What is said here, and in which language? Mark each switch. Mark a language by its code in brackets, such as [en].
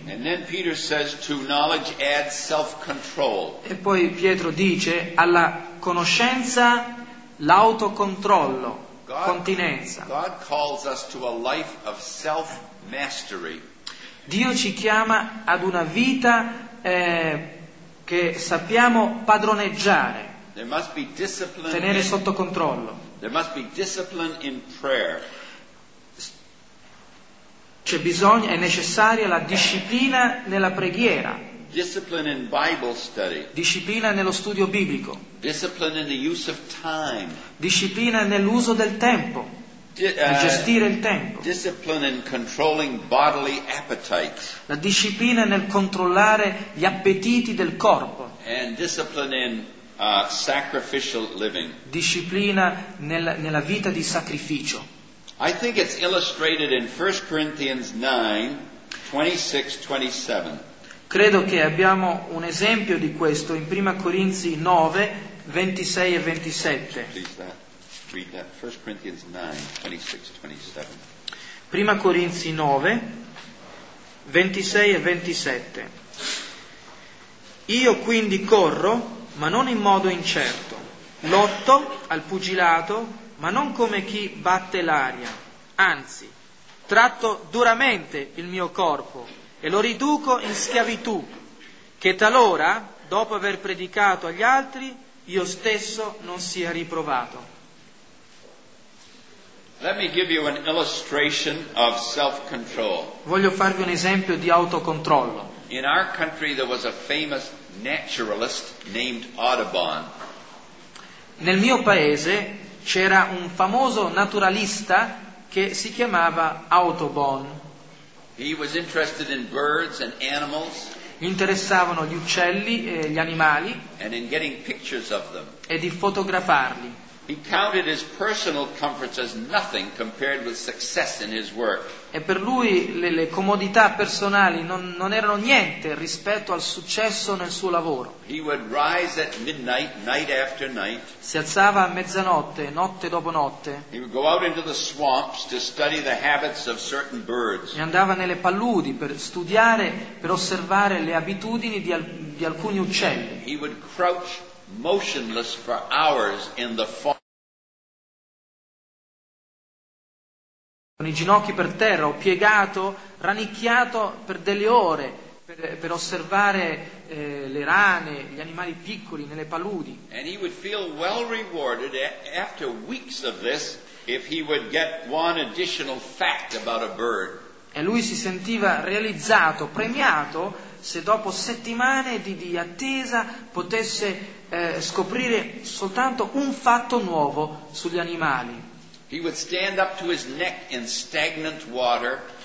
[en] And then Peter says, to knowledge adds self-control. [it] E poi Pietro dice, alla conoscenza l'autocontrollo, [en] God, [it] continenza. [en] God calls us to a life of self-mastery. [it] Dio ci chiama ad una vita che sappiamo padroneggiare. [en] There must be discipline, [it] tenere sotto controllo. [en] There must be discipline in prayer. [it] C'è bisogno, è necessaria la disciplina nella preghiera. [en] Discipline in Bible study. [it] Disciplina nello studio biblico. [en] Discipline in the use of time. [it] Disciplina nell'uso del tempo. Gestire il tempo. [en] Discipline in controlling bodily appetites. [it] La disciplina nel controllare gli appetiti del corpo. [en] And discipline in sacrificial living. [it] Disciplina nella vita di sacrificio. [en] I think it's illustrated in 1 Corinthians 9, 26-27. [it] Credo che abbiamo un esempio di questo in 1 Corinzi 9, 26 e 27. [en] Please that. Read that. 1 Corinthians 9, 26-27. [it] 1 Corinzi 9, 26 e 27. Io quindi corro, ma non in modo incerto. Lotto al pugilato, ma non come chi batte l'aria. Anzi, tratto duramente il mio corpo e lo riduco in schiavitù, che talora, dopo aver predicato agli altri, io stesso non sia riprovato. [en] Let me give you an illustration of self-control. [it] Voglio farvi un esempio di autocontrollo. [en] In our country there was a famous naturalist named Audubon. [it] Nel mio paese c'era un famoso naturalista che si chiamava Audubon. [en] He was interested in birds and animals. [it] Gli interessavano gli uccelli e gli animali. [en] And in getting pictures of them. [it] E di fotografarli. [en] He counted his personal comforts as nothing compared with success in his work. [it] E per lui le comodità personali non erano niente rispetto al successo nel suo lavoro. [en] He would rise at midnight, night after night. [it] Si alzava a mezzanotte, notte dopo notte. [en] He would go out into the swamps to study the habits of certain birds. [it] E andava nelle paludi per studiare, per osservare le abitudini di alcuni uccelli. [en] He would crouch motionless for hours in the fog. [it] Con i ginocchi per terra, ho piegato, rannicchiato per delle ore per osservare le rane, gli animali piccoli nelle paludi. [en] And he would feel well rewarded after weeks of this if he would get one additional fact about a bird. [it] E lui si sentiva realizzato, premiato, se dopo settimane di attesa potesse scoprire soltanto un fatto nuovo sugli animali. [en] He would stand up to his neck in stagnant water.